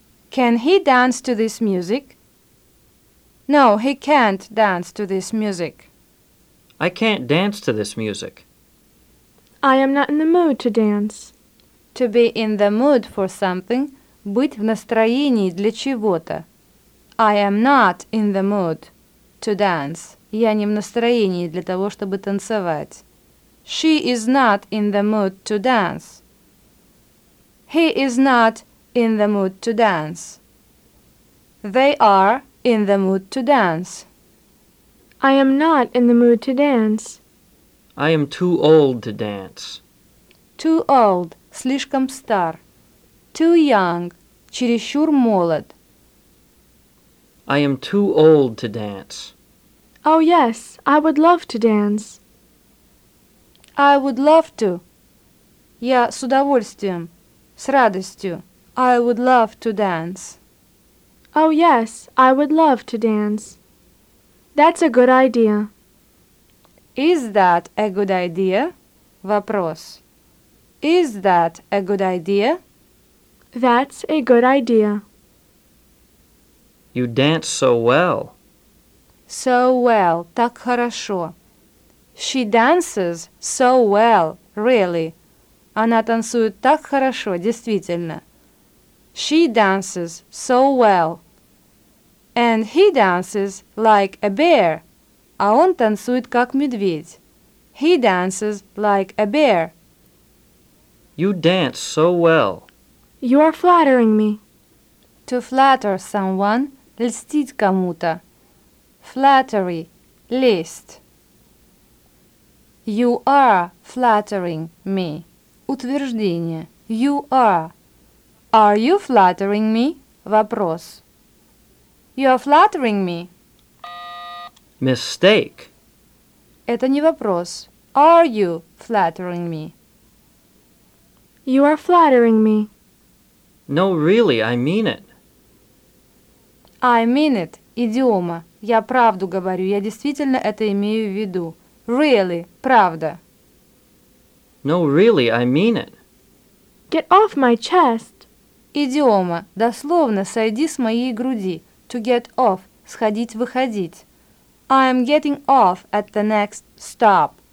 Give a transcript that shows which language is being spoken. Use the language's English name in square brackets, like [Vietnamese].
[English] Can he dance to this music? No, he can't dance to this music. I can't dance to this music. I am not in the mood to dance. To be in the mood for something, [Russian] быть в настроении для чего-то. [English] I am not in the mood to dance. [Russian] Я не в настроении для того, чтобы танцевать. [English] She is not in the mood to dance. He is not in the mood to dance. They are in the mood to dance. I am not in the mood to dance. I am too old to dance. Too old, [Russian] слишком стар. [English] Too young, [Russian] чересчур молод. [English] I am too old to dance. Oh yes, I would love to dance. I would love to. [Russian] Я с удовольствием, с радостью. [English] I would love to dance. Oh yes, I would love to dance. That's a good idea. Is that a good idea? Вопрос. Is that a good idea? That's a good idea. You dance so well. So well, [Russian] так хорошо. [English] She dances so well, really. [Russian] Она танцует так хорошо, действительно. [English] She dances so well. And he dances like a bear. [Russian] А он танцует как медведь. [English] He dances like a bear. You dance so well. You are flattering me. To flatter someone, [Russian] льстить кому-то. [English] Flattery, лесть. You are flattering me. Утверждение. You are. Are you flattering me? Вопрос. You are flattering me. Mistake. [Russian] Это не вопрос. [English] Are you flattering me? You are flattering me. No, really, I mean it. I mean it. [Russian] Идиома. Я правду говорю. Я действительно это имею в виду. Really, правда. [English] No, really, I mean it. Get off my chest. [Russian] Идиома. Дословно, сойди с моей груди. [English] To get off. Сходить, выходить. I am getting off at the next stop.